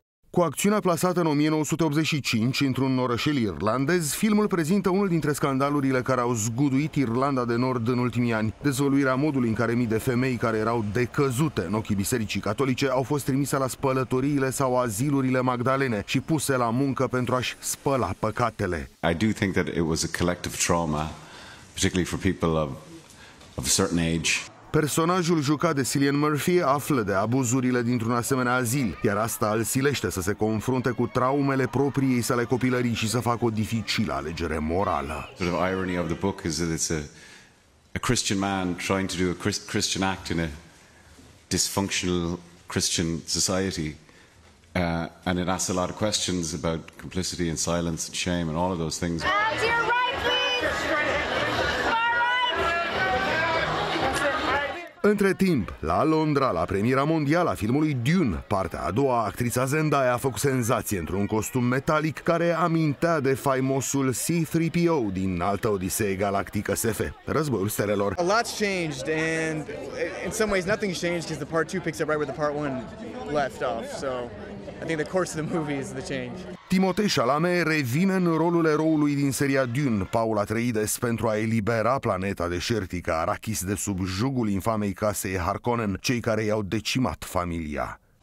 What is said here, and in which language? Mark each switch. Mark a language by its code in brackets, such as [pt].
[ro] Cu acțiunea plasată în 1985 într-un orășel irlandez, filmul prezintă unul dintre scandalurile care au zguduit Irlanda de Nord în ultimii ani. Dezvăluirea modului în care mii de femei care erau decăzute în ochii bisericii catolice au fost trimise la spălătoriile sau azilurile magdalene și puse la muncă pentru a-și spăla păcatele. [en] I do think that it was a collective trauma, particularly for people of a certain age. [ro] Personajul jucat de Cillian Murphy află de abuzurile dintr-un asemenea azil, iar asta îl silește să se confrunte cu traumele propriei sale copilării și să facă o dificilă alegere morală. [en] Sort of irony of the book is that it's a Christian man trying to do a Christian act in a dysfunctional Christian society. And it asks a lot of questions about complicity and silence and shame and all of those things. [ro] Între timp, la Londra, la premiera mondială a filmului Dune, partea a doua, actrița Zendaya a făcut senzație într-un costum metalic care amintea de faimosul C-3PO din Altă Odisee Galactică SF, Războiul Stelelor. [en] A lot's changed and in some ways nothing's changed because the part 2 picks up right where the part 1 left off, so I think the course of the movie is the change. [ro] Timothée Chalamet revine în rolul eroului din seria Dune, Paul Atreides, pentru a elibera planeta deșertică Arrakis de sub jugul infamei casei Harkonnen, cei care i-au decimat familia.